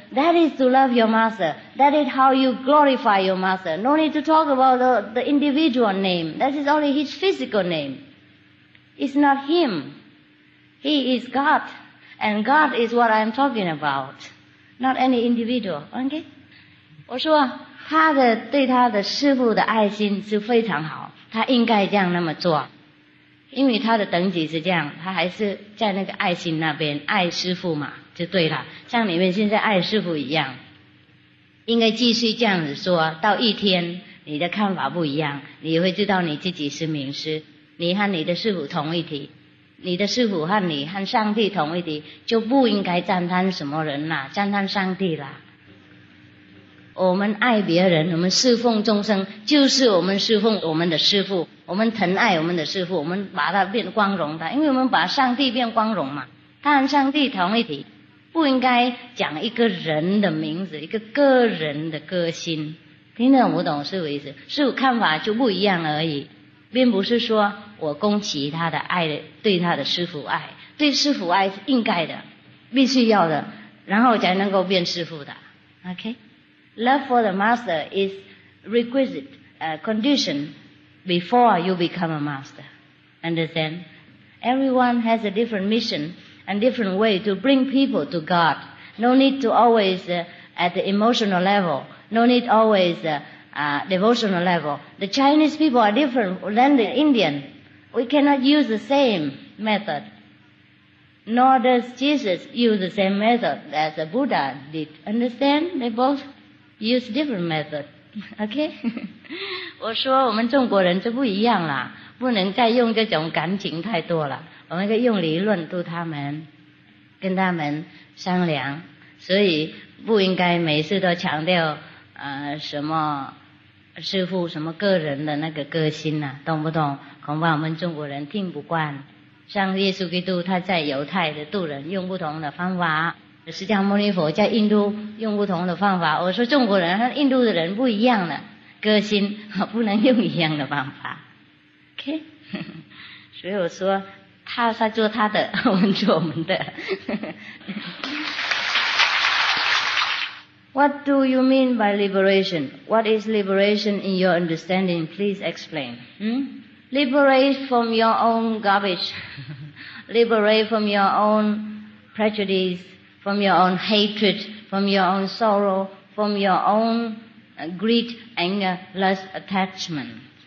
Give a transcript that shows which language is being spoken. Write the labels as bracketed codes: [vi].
[en] That is to love your master. That is how you glorify your master. No need to talk about the individual name. That is only his physical name. It's not him. He is God. And God is what I'm talking about. Not any individual. Okay? [zh] 我说他的对他的师父的爱心是非常好，他应该这样那么做，因为他的等级是这样，他还是在那个爱心那边爱师父嘛，就对了，像你们现在爱师父一样，应该继续这样子说，到一天你的看法不一样，你会知道你自己是名师，你和你的师父同一体，你的师父和你和上帝同一体，就不应该赞叹什么人啦，赞叹上帝啦。我们爱别人，我们侍奉众生，就是我们侍奉我们的师父，我们疼爱我们的师父，我们把他变光荣的，因为我们把上帝变光荣嘛，他和上帝同一体，不应该讲一个人的名字，一个个人的个性，听得懂不懂师父意思？师父看法就不一样而已，并不是说我攻击他的爱，对他的师父爱，对师父爱是应该的，必须要的，然后才能够变师父的。 [en] OK， love for the master is requisite condition before you become a master. Understand? Everyone has a different mission. And different way to bring people to God. No need to always at the emotional level. No need always devotional level. The Chinese people are different than the Indian. We cannot use the same method. Nor does Jesus use the same method as the Buddha did. Understand? They both use different method. Okay? [zh] 我说我们中国人就不一样了，不能再用这种感情太多了。我们可以用理论度他们，跟他们商量，所以不应该每次都强调什么师父什么个人的那个个性啊，懂不懂？恐怕我们中国人听不惯。像耶稣基督他在犹太的渡人用不同的方法，释迦牟尼佛在印度用不同的方法，我说中国人和印度的人不一样的个性，不能用一样的方法。 OK 所以我说他在做他的，我们做我们的。 [en] What do you mean by liberation? What is liberation in your understanding? Please explain. liberate from your own garbage, liberate from your own prejudice, from your own hatred, from your own sorrow, from your own greed, anger, lust, attachment.